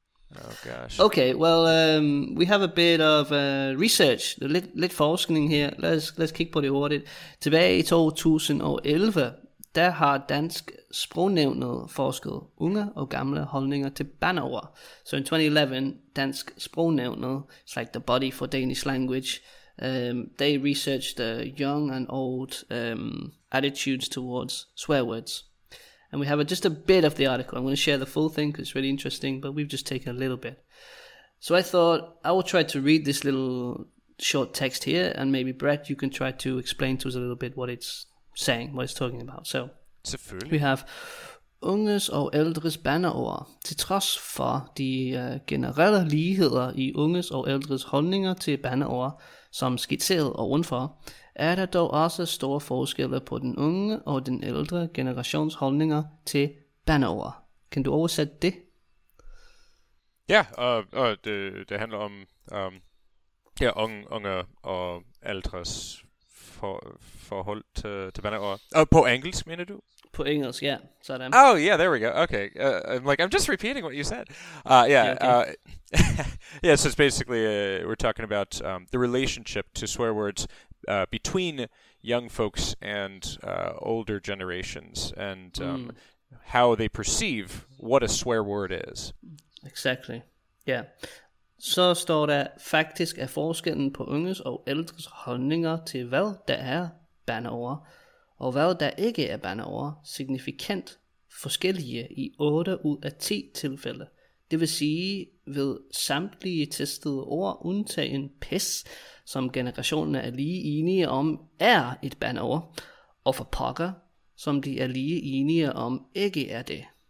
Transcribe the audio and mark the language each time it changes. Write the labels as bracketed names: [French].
[English] Oh gosh. Okay, well, we have a bit of research, [Danish] lidt forskning her. Lad os kigge på det hurtigt. Tilbage i 2011, der har Dansk Sprognævnet forsket unge og gamle holdninger til bandeord. [English] So in 2011, Dansk Sprognævnet, it's like the body for Danish language, they researched the young and old attitudes towards swear words. And we have just a bit of the article. I'm going to share the full thing because it's really interesting, but we've just taken a little bit. So I thought I will try to read this little short text here, and maybe Brett, you can try to explain to us a little bit what it's saying, what it's talking about. So we have [Danish] unges og ældres bandeord. Til trods for de generelle ligheder i unges og ældres holdninger til bandeord, som skitseret ovenfor, er der dog også store forskelle på den unge og den ældre generations holdninger til bandeord. Kan du oversætte det? Ja, det handler om unge og ældres forhold til bandeord. På engelsk, mener du? På engelsk, yeah. Sådan. [English] Oh, yeah, there we go. Okay. I'm like, I'm just repeating what you said. Yeah, so it's basically, we're talking about the relationship to swear words between young folks and older generations and how they perceive what a swear word is. Exactly. Yeah. [Danish] Så står der, faktisk er forskellen på unges og ældres holdninger til hvad der er bandeord, og hvad der ikke er bandeord, signifikant forskellige i 8 ud af 10 tilfælde. Det vil sige, ved samtlige testede ord undtagen pis, som generationerne er lige enige om, er et bandeord, og for pokker, som de er lige enige om, ikke er det.